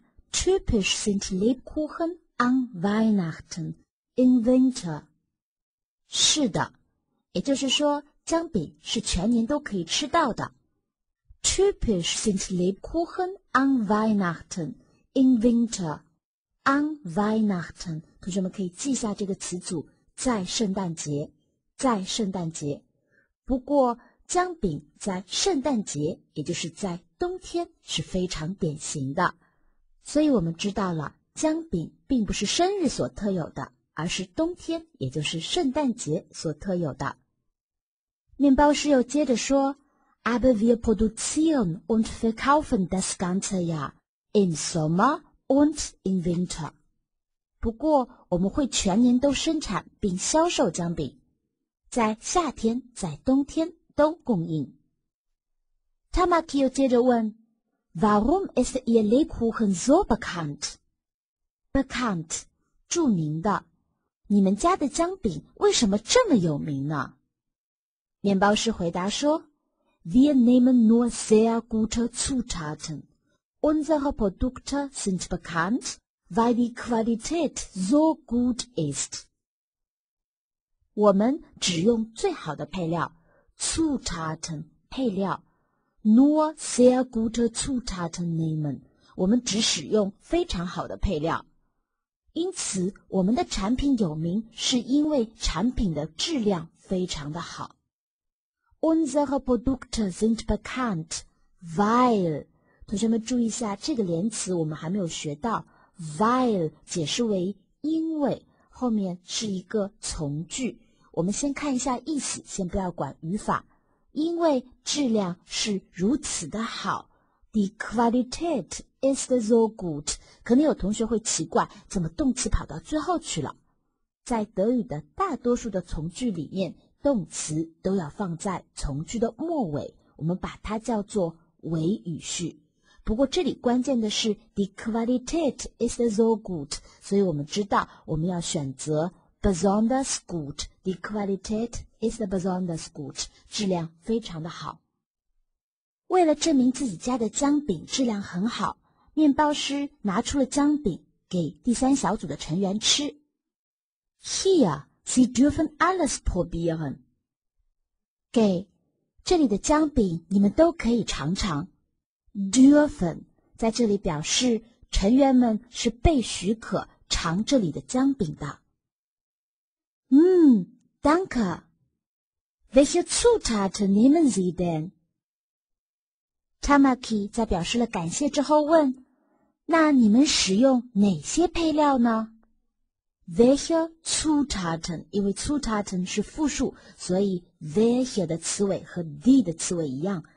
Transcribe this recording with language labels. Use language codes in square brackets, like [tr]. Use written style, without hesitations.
[de] Typisch sind Lebkuchen an Weihnachten, in winter. [zh] 是的，也就是说姜饼是全年都可以吃到的。 [de] Typisch sind Lebkuchen an Weihnachten, in winter. An Weihnachten, [zh] 同学们可以记下这个词组，在圣诞节，在圣诞节。不过姜饼在圣诞节，也就是在冬天是非常典型的。所以我们知道了，姜饼并不是生日所特有的，而是冬天，也就是圣诞节所特有的。面包师又接着说， [de] Aber wir produzieren und verkaufen das ganze Jahr, im Sommer und im Winter. [zh] 不过我们会全年都生产并销售姜饼，在夏天在冬天都供应。 [de] Tamaki [zh] 又接着问， [de] Warum ist Ihr Lebkuchen so bekannt? [zh] Bekannt, 著名的，你们家的姜饼为什么这么有名呢？面包师回答说， [de] Wir nehmen nur sehr gute Zutaten. Unsere Produkte sind bekannt, weil die Qualität so gut ist. [zh] 我们只用最好的配料， Zutaten, 配料， [de] nur sehr gute Zutaten nehmen. [zh] 我们只使用非常好的配料。因此我们的产品有名是因为产品的质量非常的好。 [de] Unsere Produkte sind bekannt, weil, [zh] 同学们注意一下这个连词我们还没有学到， weil 解释为因为，后面是一个从句，我们先看一下意思，先不要管语法。因为质量是如此的好， [de] die Qualität ist so gut, [zh] 可能有同学会奇怪怎么动词跑到最后去了。在德语的大多数的从句里面，动词都要放在从句的末尾，我们把它叫做尾语序。不过这里关键的是 [de] the Qualität ist so gut, [zh] 所以我们知道我们要选择 [de] besonders gut, the Qualität ist besonders gut, [zh] 质量非常的好。为了证明自己家的姜饼质量很好，面包师拿出了姜饼给第三小组的成员吃。 [de] Here,Sie dürfen alles probieren. [zh] 给，这里的姜饼你们都可以尝尝。 [de] dürfen, [zh] 在这里表示成员们是被许可尝这里的姜饼的。 [de] Danke. Welche Zutaten nehmen Sie denn? [zh] Tamaki 在表示了感谢之后问，那你们使用哪些配料呢？ [de] Welche Zutaten? [zh] 因为 Zutaten 是复数，所以 welche 的词尾和 die 的词尾一样。